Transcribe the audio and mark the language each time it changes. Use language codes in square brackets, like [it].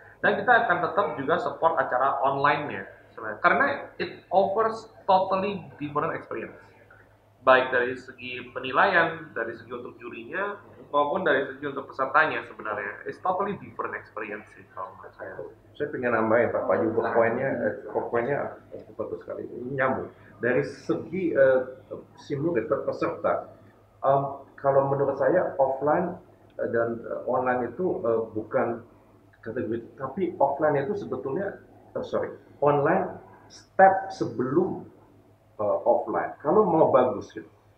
[id] Dan kita akan tetap juga support acara online-nya. Sebenarnya. Karena [en] it offers totally different experience. [id] Baik dari segi penilaian, dari segi untuk jurinya, maupun dari segi untuk pesertanya sebenarnya. [en] It's totally different experience [id] sih kalau menurut saya. Saya ingin nambahin Pak Paju, poinnya bagus sekali, nyambung. Dari segi simulasi peserta, kalau menurut saya offline dan online itu bukan kategori, tapi offline itu sebetulnya, online step sebelum offline, kalau mau bagus gitu.